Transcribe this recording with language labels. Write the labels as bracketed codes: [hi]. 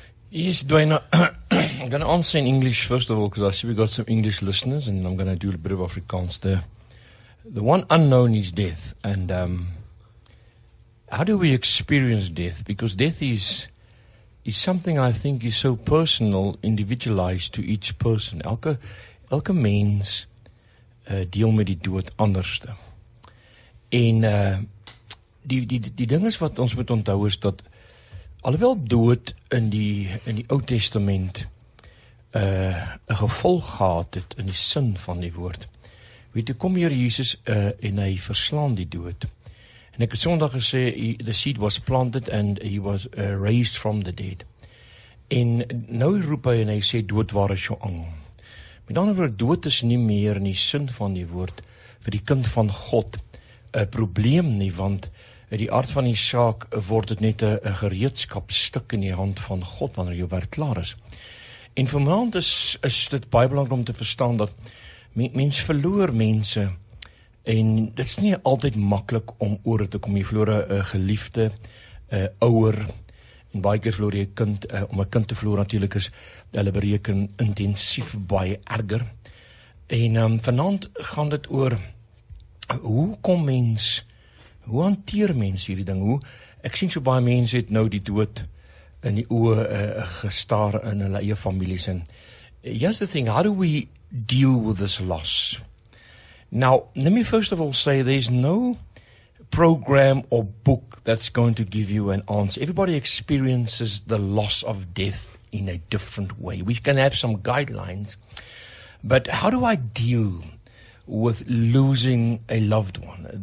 [en] Yes, Dwayne, I'm going to answer in English first of all, because I see we got some English listeners, and I'm going to do a bit of Afrikaans there. The one unknown is death, and how do we experience death? Because death is something I think is so personal, individualized to each person. [af] Elke mens deel met die dood anders. En die ding is wat ons moet onthou is dat alhoewel dood in die Ou Testament 'n gevolg gehad het in die sin van die woord. Weet jy, kom hier Jesus en hy verslaan die dood. En ek het Sondag gesê, the seed was planted and he was raised from the dead. En nou roep hy en hy sê, dood waar is jou angel? Met ander woord, dood is nie meer in die sin van die woord vir die kind van God 'n probleem nie, want die aard van die saak word het net 'n gereedskapstuk in die hand van God wanneer jou werk klaar is. En vanavond is dit baie belangrik om te verstaan dat mens verloor mense en dit is nie altyd maklik om oor te kom. Jy verloor 'n geliefde, 'n ouer, en baie keer verloor jy 'n kind. Om 'n kind te verloor natuurlik is hulle bereken intensief baie erger. En vanavond gaan dit oor hoe hanteer mens hierdie ding? Ek sien so baie mense het nou die dood in die oë gestaar in hulle eie families. [en] En here's the thing, how do we deal with this loss? Now, let me first of all say there's no program or book that's going to give you an answer. Everybody experiences the loss of death in a different way. We can have some guidelines, but how do I deal with losing a loved one?